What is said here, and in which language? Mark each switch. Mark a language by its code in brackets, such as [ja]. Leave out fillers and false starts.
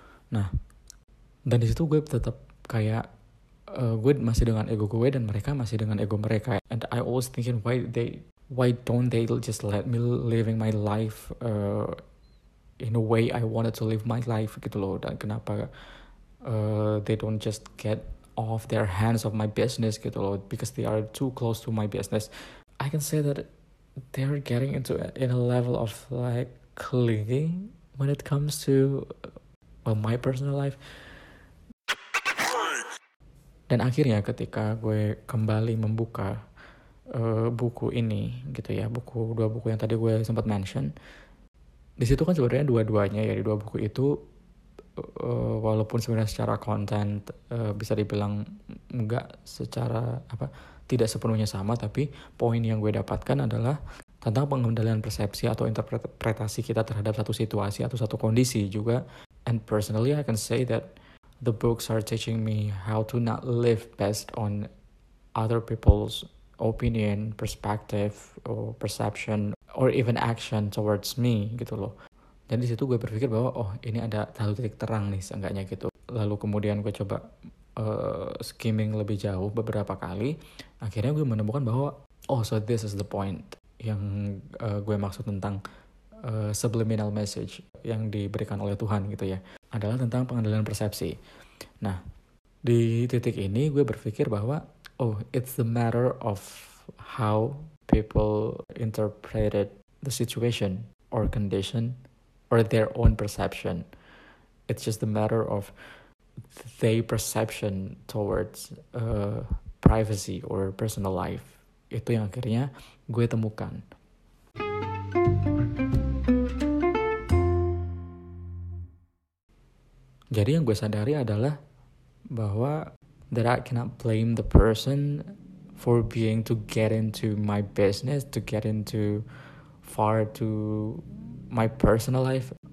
[id] Nah, dan di situ gue tetap kayak gue masih dengan ego gue dan mereka masih dengan ego mereka. [en] And I always thinking why don't they just let me living my life in a way I wanted to live my life [id] gitu loh. Dan kenapa [en] they don't just get off their hands of my business [id] gitu loh, [en] because they are too close to my business. I can say that they're getting into in a level of like clinging when it comes to my personal life. [id] Dan akhirnya ketika gue kembali membuka buku ini gitu ya, buku dua buku yang tadi gue sempat mention, di situ kan sebenarnya dua-duanya ya, di dua buku itu walaupun sebenarnya secara konten bisa dibilang enggak secara apa, tidak sepenuhnya sama, tapi poin yang gue dapatkan adalah tentang pengendalian persepsi atau interpretasi kita terhadap satu situasi atau satu kondisi juga. [en] And personally, I can say that the books are teaching me how to not live based on other people's opinion, perspective, or perception, or even action towards me, [id] gitu loh. Dan di situ gue berpikir bahwa, oh, ini ada satu titik terang nih, seenggaknya gitu. Lalu kemudian gue coba skimming lebih jauh beberapa kali, akhirnya gue menemukan bahwa, oh, [en] so this is the point [id] yang gue maksud tentang subliminal message yang diberikan oleh Tuhan gitu ya, adalah tentang pengendalian persepsi. Nah, di titik ini gue berpikir bahwa, oh, [en] it's the matter of how people interpreted the situation or condition or their own perception. It's just the matter of their perception towards privacy or personal life. [id] Itu yang akhirnya gue temukan. Jadi yang gue sadari adalah bahwa [en] that I cannot blame the person for being to get into my business, to get into far to my personal life.